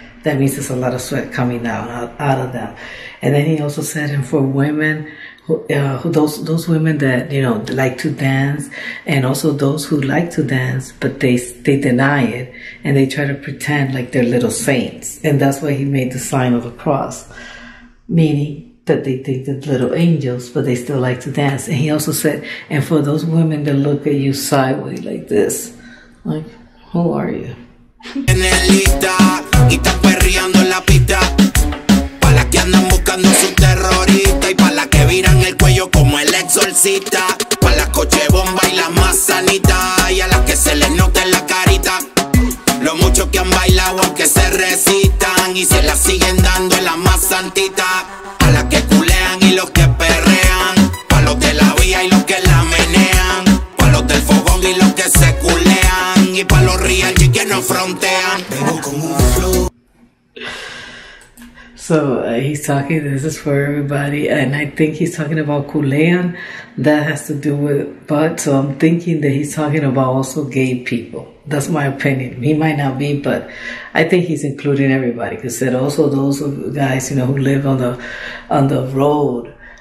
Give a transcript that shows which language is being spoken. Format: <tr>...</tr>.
<en>That means there's a lot of sweat coming out of them. And then he also said, and for women, those women that, you know, like to dance, and also those who like to dance, but they deny it, and they try to pretend like they're little saints. And that's why he made the sign of the cross, meaning that they think they're little angels, but they still like to dance. And he also said, and for those women that look at you sideways like this, like, who are you?</en> <es>En el lista, y está perreando la pista, pa' las que andan buscando su terrorista, y pa' las que viran el cuello como el exorcista, pa' las coche bomba y las más sanitas, y a las que se les note en la carita, lo mucho que han bailado aunque se resistan, y se la siguen dando en la más santita. Que culean y los que perrean, pa' los de la vía y los que la menean, pa' los del fogón y los que se culean, y pa' los real y que no frontean.</es> <en>So he's talking, this is for everybody, and I think he's talking about culean, that has to do with butt, so I'm thinking that he's talking about also gay people. That's my opinion. He might not be, but I think he's including everybody, because said also those guys, you know, who live on the road,</en>